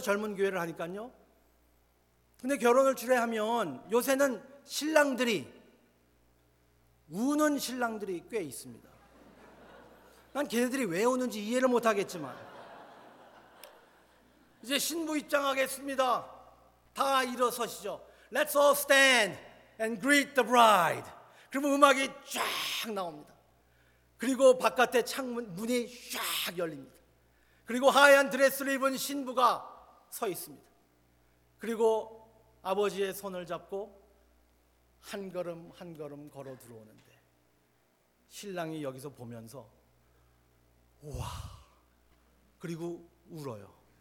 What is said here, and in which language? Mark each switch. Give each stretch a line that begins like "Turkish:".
Korean: 젊은 교회를 하니까요. 근데 결혼을 주례하면 요새는 신랑들이 우는 신랑들이 꽤 있습니다. 난 걔네들이 왜 우는지 이해를 못하겠지만 이제 신부 입장하겠습니다. 다 일어서시죠.
English: Let's all stand and greet the bride.
Korean: 그러면 음악이 쫙 나옵니다. 그리고 바깥에 창문 문이 쫙 열립니다. 그리고 하얀 드레스를 입은 신부가 서 있습니다. 그리고 아버지의 손을 잡고 한 걸음 한 걸음 걸어 들어오는데 신랑이 여기서 보면서 우와 그리고 울어요.